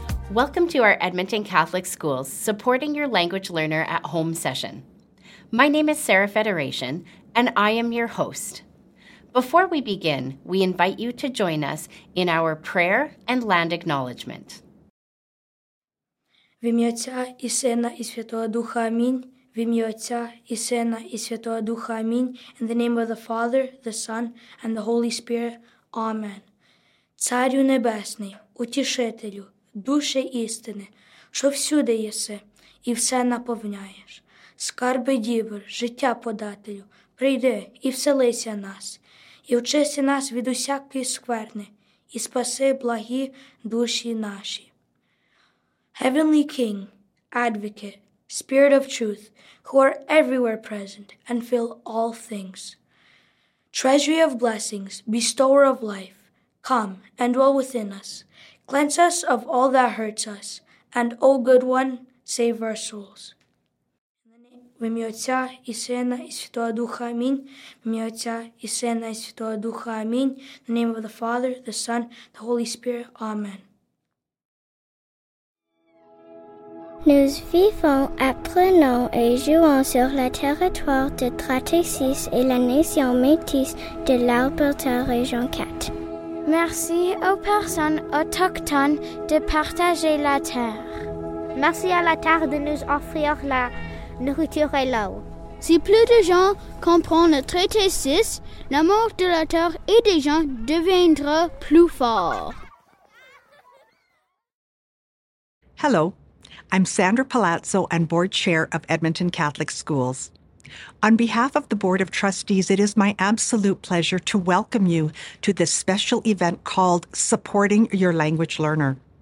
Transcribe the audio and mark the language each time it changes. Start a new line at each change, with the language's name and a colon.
English: Welcome to our Edmonton Catholic Schools Supporting Your Language Learner at Home session. My name is Sarah Federation, and I am your host. Before we begin, we invite you to join us in our prayer and land acknowledgement.
Russian: В имя Отца и Сына и Святого Духа, Аминь. В имя Отца и Сына и Святого Духа, Аминь.
English: In the name of the Father, the Son, and the Holy Spirit, Amen.
Ukrainian: Царю Небесний, утішителю, душе істини, що всюди єси і все наповняєш. Скарби дібр, життя подателю, прийди і вселися нас, і очисти нас від усякої скверни, і спаси благі душі наші.
English: Heavenly King, Advocate, Spirit of Truth, who are everywhere present and fill all things, Treasury of Blessings, Bestower of Life, come and dwell within us. Cleanse us of all that hurts us, and, O Good One, save our souls.
Ukrainian: В ім'я Отця і Сина і Святого Духа, Амінь. В ім'я Отця і Сина і Святого Духа, Амінь.
English: In the name of the Father, the Son, the Holy Spirit, Amen.
French: Nous vivons à Plenon et jouons sur le territoire de Tratexis et la nation métisse de l'Alberta Région 4. Merci aux personnes autochtones de partager la terre. Merci à la terre de nous offrir la nourriture et l'eau. Si plus de gens comprennent le traité 6, l'amour de la terre et des gens deviendra plus fort.
English: Hello, I'm Sandra Palazzo and Board Chair of Edmonton Catholic Schools. On behalf of the Board of Trustees, it is my absolute pleasure to welcome you to this special event called Supporting Your Language Learner.